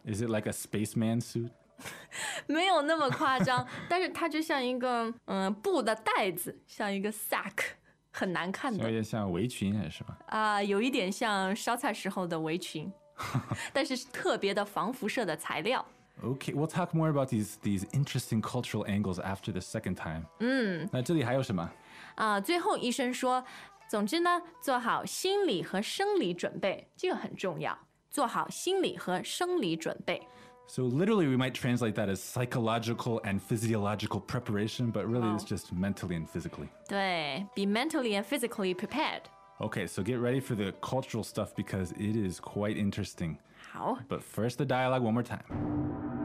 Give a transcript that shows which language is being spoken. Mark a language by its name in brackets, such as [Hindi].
[English] Is it like a spaceman suit? [Chinese] 没有那么夸张，但是它就像一个布的袋子，像一个 sack, 很难看的。有点像围裙还是吗？啊、有一点像烧菜时候的围裙，但是是特别的防辐射的材料。 [English] Okay, we'll talk more about these interesting cultural angles after the second time. 嗯， [Chinese] 那这里还有什么？啊，最后医生说，总之呢，做好心理和生理准备，这个很重要。做好心理和生理准备。 [English] So literally, we might translate that as psychological and physiological preparation, but really, it's just mentally and physically. 对, be mentally and physically prepared. Okay, so get ready for the cultural stuff because it is quite interesting. How? But first, the dialogue one more time.